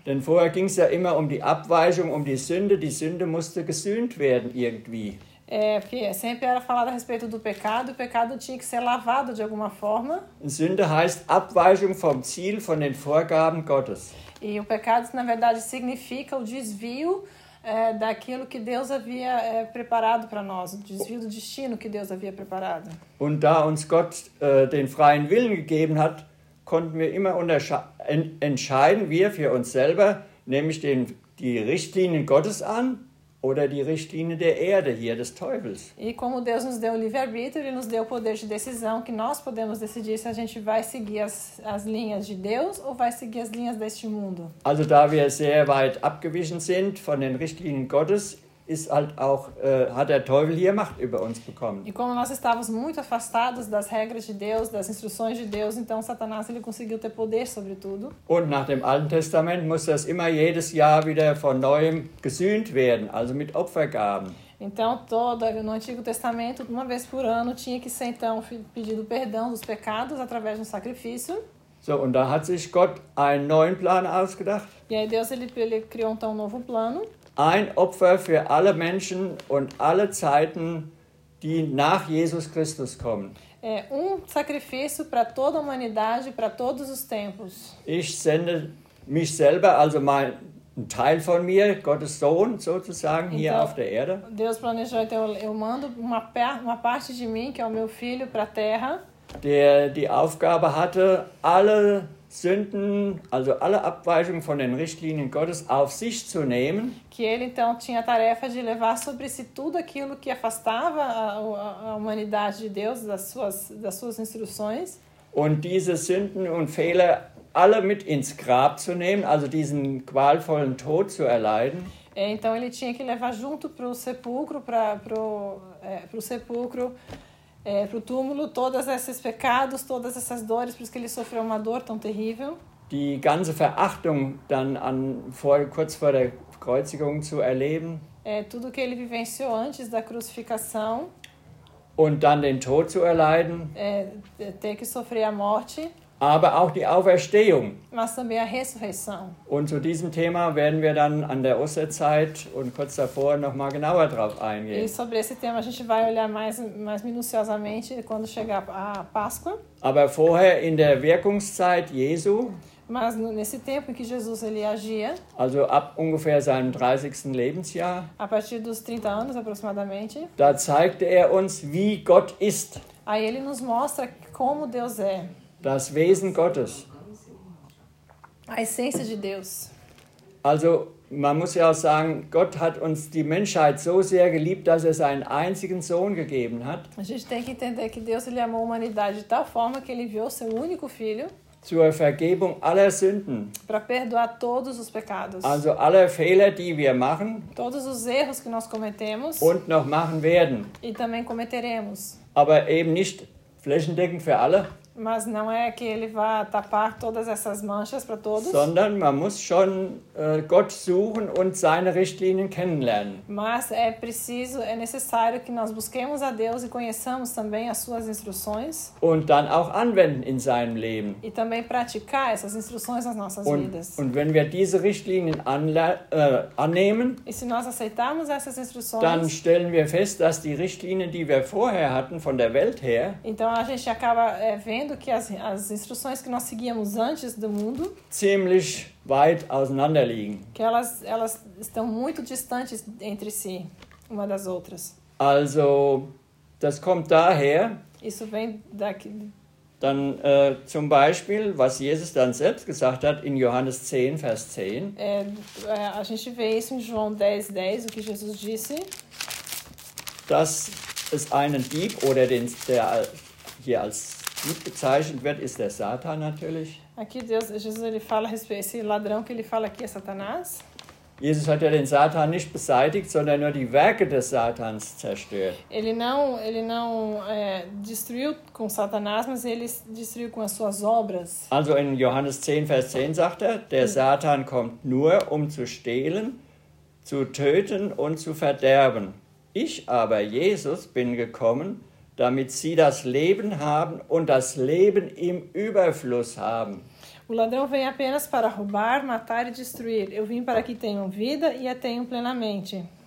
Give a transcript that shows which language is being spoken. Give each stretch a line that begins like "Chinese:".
German: Denn vorher ging es ja immer um die Abweichung, um die Sünde musste gesühnt werden irgendwie.
Portuguese: É, porque sempre era falado a respeito do pecado, o pecado tinha que ser lavado de alguma forma.
German: Sünde heißt Abweichung vom Ziel, von den Vorgaben Gottes.
Portuguese: E o pecado, na verdade, significa o desvio daquilo que Deus havia preparado para nós, o desvio do destino que Deus havia preparado.
German: Und da uns Gott den freien Willen gegeben hat, konnten wir immer entscheiden, wir für uns selber, nämlich die Richtlinien Gottes an, oder die Richtlinie der Erde hier des Teufels.
Portuguese: E como Deus nos deu o livre-arbítrio, ele nos deu o poder de decisão, que nós podemos decidir se a gente vai seguir as linhas de Deus ou vai seguir as linhas deste mundo.
German: Also da wir sehr weit abgewichen sind von den Richtlinien Gottes, ist halt auch hat der Teufel hier Macht über uns bekommen.
Portuguese: E como nós estávamos muito afastados das regras de Deus, das instruções de Deus, então Satanás ele conseguiu ter poder sobre tudo.
German: Und nach dem Alten Testament muss das immer jedes Jahr wieder von neuem gesühnt werden, also mit Opfergaben.
Portuguese: Então toda no Antigo Testamento, uma vez por ano tinha que ser então pedido perdão dos pecados através de um sacrifício.
German: So, und da hat sich Gott einen neuen Plan ausgedacht.
Portuguese: E aí Deus ele criou então um novo plano.
German: Ein Opfer für alle Menschen und alle Zeiten die nach Jesus Christus kommen.
Portuguese: É um sacrifício para toda a humanidade, para todos os tempos.
German: Ich sende mich selber, also mein ein Teil von mir, Gottes Sohn sozusagen,
Portuguese: então,
German: hier auf der Erde.
Portuguese: Deus planejou, então, eu mando uma parte de mim, que é o meu filho, para a Terra.
German: Der die Aufgabe hatte, alle Sünden, also alle Abweichungen von den Richtlinien Gottes auf sich zu nehmen.
Portuguese: Que ele, então, tinha a tarefa de levar sobre si tudo aquilo que afastava a humanidade de Deus, das suas instruções.
German: Und diese Sünden und Fehler alle mit ins Grab zu nehmen, also diesen qualvollen Tod zu erleiden.
Portuguese: Então ele tinha que levar junto pro sepulcro, pro sepulcro, pro túmulo, todos esses pecados, todas essas dores, por isso que ele sofreu uma dor tão terrível.
German: Die ganze Verachtung dann an kurz vor der Kreuzigung zu erleben.
Portuguese: Tudo que ele vivenciou antes da crucificação.
German: Und dann den Tod zu erleiden.
Portuguese: Ter que sofrer a morte.
German: Aber auch die Auferstehung.
Portuguese: Mas também a ressurreição.
German: Und zu diesem Thema werden wir dann an der Osterzeit und kurz davor noch mal genauer drauf eingehen.
Portuguese: E sobre esse tema a gente vai olhar mais minuciosamente quando chegar a Páscoa.
German: Aber vorher in der Wirkungszeit Jesu.
Portuguese: Mas nesse tempo em que Jesus ele agia.
German: Also ab ungefähr seinem 30. Lebensjahr.
Portuguese: A partir dos 30 anos aproximadamente.
German: Da zeigte er uns, wie Gott ist.
Portuguese: Aí ele nos mostra como Deus é.
German: Das Wesen Gottes.
Portuguese: A essência de Deus.
German: Also, man muss ja auch sagen, Gott hat uns die Menschheit so sehr geliebt, dass er seinen einzigen Sohn gegeben hat.
Portuguese: A gente tem que entender que Deus ele amou a humanidade de tal forma que ele enviou seu único filho.
German: Zur Vergebung aller Sünden.
Portuguese: Para perdoar todos os pecados.
German: Also alle Fehler, die wir machen.
Portuguese: Todos os erros que nós cometemos.
German: Und noch machen werden.
Portuguese: E também cometeremos.
German: Aber eben nicht flächendeckend für alle.
Portuguese: Mas não é que ele vá tapar todas essas manchas para todos.
German: Sondern man muss schon Gott suchen und seine Richtlinien kennenlernen.
Portuguese: Mas é preciso, é necessário que nós busquemos a Deus e conheçamos também as suas instruções.
German: Und dann auch anwenden in seinem Leben.
Portuguese: E também praticar essas instruções nas nossas vidas.
German: Und wenn wir diese Richtlinien annehmen,
Portuguese: e se nós aceitarmos essas instruções,
German: dann stellen wir fest, dass die Richtlinien, die wir vorher hatten von der Welt her,
Portuguese: então a gente acaba vendo que as instruções que nós seguíamos antes do mundo
German: ziemlich weit auseinander liegen.
Portuguese: Que elas estão muito distantes entre si, uma das outras.
German: Also, das kommt daher.
Portuguese: Isso vem daqui.
German: Dann zum Beispiel, was Jesus dann selbst gesagt hat in Johannes 10, Vers 10.
Portuguese: A gente vê isso em João 10:10, o que Jesus disse.
German: Dass es einen Dieb oder den der hier als gut bezeichnet wird, ist der Satan natürlich.
Portuguese: Aqui Deus, Jesus ele fala respeito esse ladrão que ele fala aqui é Satanás.
German: Jesus hat ja den Satan nicht beseitigt, sondern nur die Werke des Satans zerstört.
Portuguese: Ele não destruiu com Satanás, mas ele destruiu com as suas obras.
German: Also in Johannes 10, Vers 10 sagt er, der Satan kommt nur, um zu stehlen, zu töten und zu verderben. Ich aber, Jesus, bin gekommen, damit sie das Leben haben und das Leben im Überfluss haben.
Portuguese: O ladrão vem apenas para roubar, matar e destruir. Eu vim para que tenham vida e a tenham plenamente.